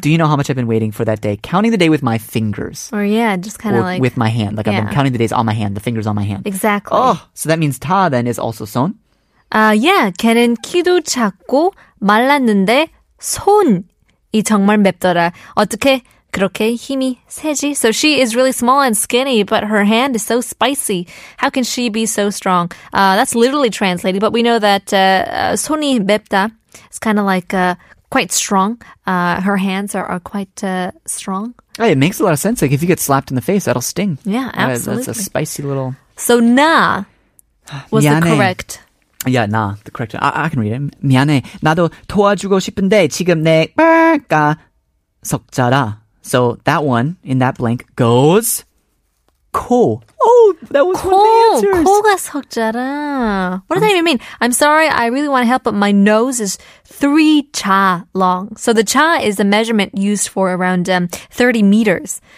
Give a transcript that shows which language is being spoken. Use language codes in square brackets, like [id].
[en] Do you know how much I've been waiting for that day? Counting the day with my fingers. Or yeah, just kind of like. With my hand. Like yeah. I've been counting the days on my hand, the fingers on my hand. Exactly. Oh, so that means 다 then is also 손? Yeah. [ko] 걔는 키도 작고 말랐는데 손이 정말 맵더라. 어떻게? 그렇게 힘이 세지. [en] So she is really small and skinny, but her hand is so spicy. How can she be so strong? That's literally translated, but we know that [ko] 손이 맵다 [en] is kind of like quite strong. Her hands are quite strong. Hey, it makes a lot of sense. Like if you get slapped in the face, that'll sting. Yeah, absolutely. That's a spicy little... So 나 was [ko] 미안해. [en] The correct... Yeah, 나, the correct... I can read it. [ko] 미안해. 나도 도와주고 싶은데 지금 내가 석자라. [en] So that one in that blank goes 코. Oh, that was [ko] 코, [en] one of the answers. [ko] 코가 석자라. [en] What does that even mean? I'm sorry, I really want to help, but my nose is 3 cha long. So the cha is the measurement used for around 30 meters.